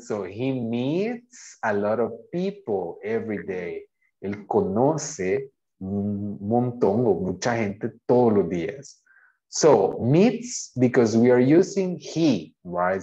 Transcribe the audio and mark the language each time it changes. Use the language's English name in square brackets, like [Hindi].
[English] So he meets a lot of people every day. [Spanish] Él conoce un montón o mucha gente todos los días. [English] So meets, because we are using he, right?